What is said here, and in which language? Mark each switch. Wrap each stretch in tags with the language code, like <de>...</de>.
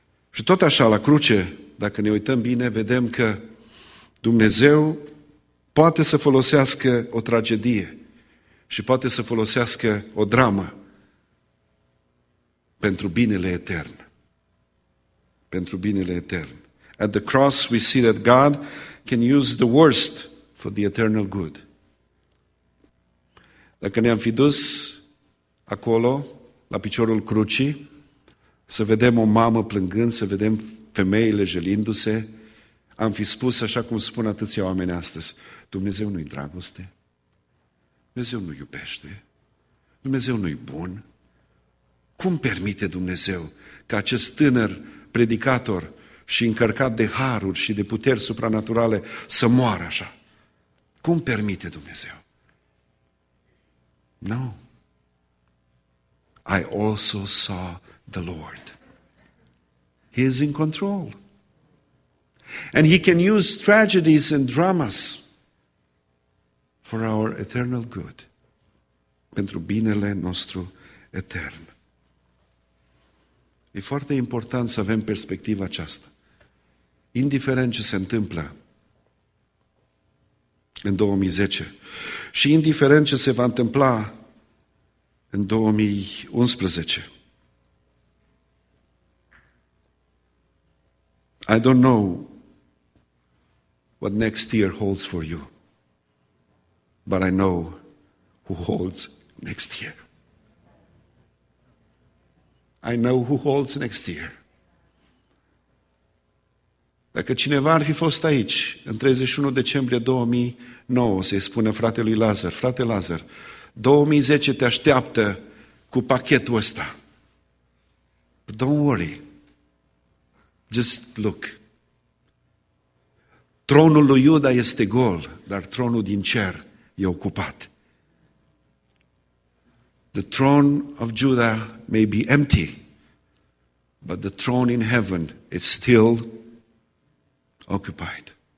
<ro>Și tot așa, la cruce, dacă ne uităm bine, vedem că Dumnezeu poate să folosească o tragedie și poate să folosească o dramă pentru binele etern. Pentru binele etern.</ro> <en>At the cross, we see that God can use the worst for the eternal good.</en> <ro>Dacă ne-am fi dus acolo, la piciorul crucii, să vedem o mamă plângând, să vedem femeile jelindu-se, am fi spus, așa cum spun atâția oameni astăzi, Dumnezeu nu-i dragoste, Dumnezeu nu iubește, Dumnezeu nu-i bun. Cum permite Dumnezeu ca acest tânăr predicator și încărcat de haruri și de puteri supranaturale să moară așa? Cum permite Dumnezeu?</ro> <en>No. I also saw the Lord. He is in control. And He can use tragedies and dramas for our eternal good.</en> <ro>Pentru binele nostru etern. E foarte important să avem perspectiva aceasta. Indiferent ce se întâmplă în 2010 și indiferent ce se va întâmpla în 2011.</ro> <en>I don't know what next year holds for you, but I know who holds next year. I know who holds next year.</en> <ro>Dacă cineva ar fi fost aici, în 31 decembrie 2009, se spune fratelui Lazar, frate Lazar, 2010 te așteaptă cu pachetul ăsta.</ro> <en>But don't worry. Just look.</en> <ro>Tronul lui Iuda este gol, dar tronul din cer e ocupat.</ro> <en>The throne of Judah may be empty, but the throne in heaven is still occupied.</en>